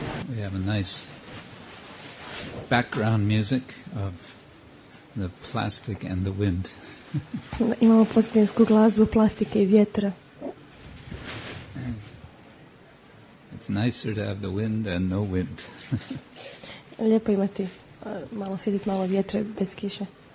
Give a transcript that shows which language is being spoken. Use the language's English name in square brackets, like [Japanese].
[English] We have a nice background music of the plastic and the wind. [Croatian] Imamo pozadinsku glazbu plastike I vjetra. [English] It's nicer to have the wind than no wind. [Croatian] Lijepo imati malo sjediti malo vjetra bez kiše.